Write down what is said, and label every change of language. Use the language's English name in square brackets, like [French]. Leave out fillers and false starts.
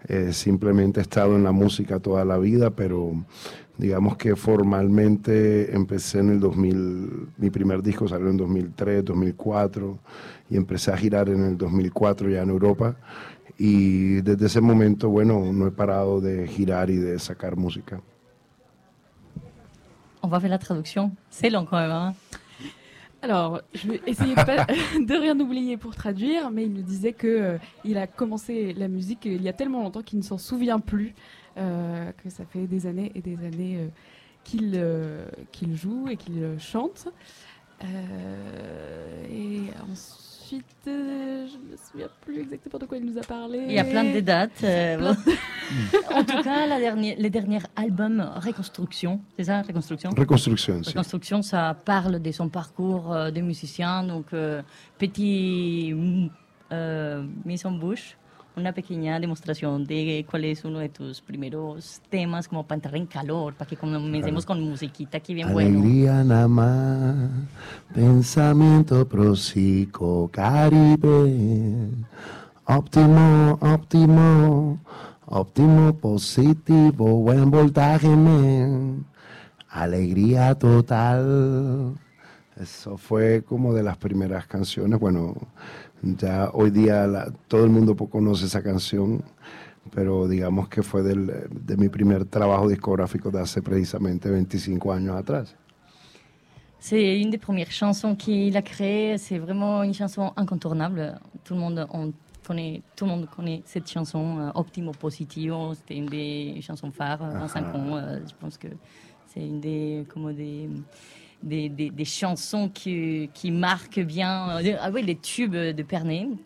[Spanish] Simplemente he estado en la música toda la vida, pero digamos que formalmente empecé en el 2000, mi primer disco salió en 2003, 2004, y empecé a girar en el 2004 ya en Europa, y desde ese momento, bueno, no he parado de girar y de sacar música. [French] On va faire la traducción. C'est long, quand même, hein? Alors, je vais essayer de rien oublier pour traduire, mais il nous disait qu'il a commencé la musique il y a tellement longtemps qu'il ne s'en souvient plus, que ça fait des années et des années qu'il joue et qu'il chante. Et ensuite, je ne me souviens plus exactement de quoi il nous a parlé. Il y a plein de dates. En tout cas, les derniers albums, Reconstruction, c'est ça, Reconstruction ? Reconstruction, c'est ça. Reconstruction, ça parle de son parcours de musicien, donc petit mise en bouche, une petite démonstration de quel est un de tes premiers thèmes, comme pour entrer en calor, [Spanish] pour que commencemos con musiquita [French] qui vient bueno. [Spanish] Alegría nada más, pensamiento prosico caribe, óptimo, óptimo. Óptimo, positivo, buen voltaje, man. Alegría total. Eso fue como de las primeras canciones. Bueno, ya hoy día todo el mundo conoce esa canción, pero digamos que fue de mi primer trabajo discográfico de hace precisamente 25 años atrás. [French] C'est une des premières chansons qu'il a créées. C'est vraiment une chanson incontournable. Tout le monde tout le monde connaît cette chanson, Optimo Positivo, c'était une des chansons phares, Vincent Con, je pense que c'est une des, comme des chansons qui marquent bien, ah oui, les tubes de Pernet.